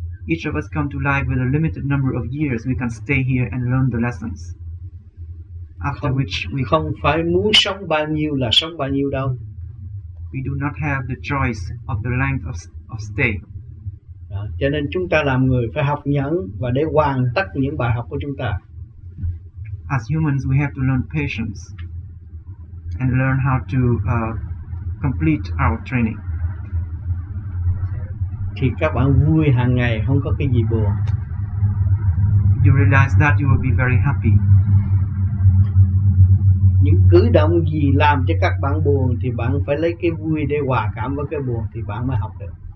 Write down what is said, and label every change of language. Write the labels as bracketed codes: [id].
[en] Each of us come to life with a limited number of years we can stay here and learn the lessons. After [vi] không, [en] which we [vi] không phải muốn sống bao nhiêu là sống bao nhiêu đâu. [en] We do not have the choice of the length of stay. [vi] Đó. Cho nên chúng ta làm người phải học nhẫn và để hoàn tất những bài học của chúng ta. [en] As humans, we have to learn patience and learn how to complete our training. [vi] Thì các bạn vui hàng ngày, không có cái gì buồn. [en] You realize that you will be very happy. [vi] Những cử động gì làm cho các bạn buồn thì bạn phải lấy cái vui để hòa cảm với cái buồn thì bạn mới học được.